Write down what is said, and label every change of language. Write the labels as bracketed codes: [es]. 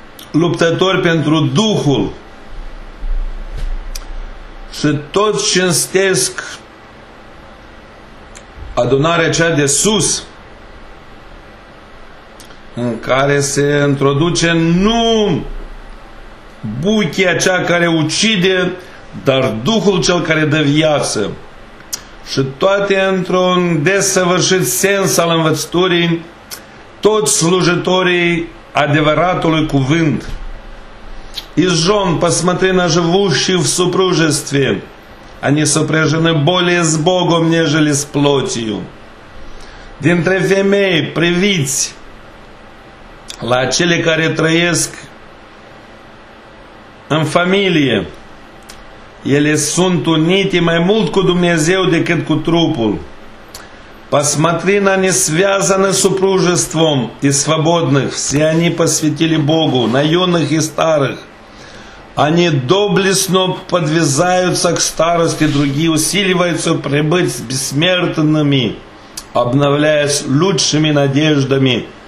[ro] luptători pentru Duhul și toți cinstesc adunarea cea de sus, în care se introduce nu buchia cea care ucide, dar Duhul cel care dă viață. Și toate într-un desăvârșit sens al învățăturii, toți slujitorii adevăratului cuvânt. [ru] Из жен посмотри на живущих в супружестве, они сопряжены более с Богом, нежели с плотью. [ro] Dintre femei, priviți la cele care trăiesc în familie, ele sunt unite mai mult cu Dumnezeu decât cu trupul. [ru] Посмотри на несвязанных супружеством и свободных, все они посвятили Богу, на юных и старых. Они доблестно подвязаются к старости, другие усиливаются прибыть с бессмертными, обновляясь лучшими надеждами,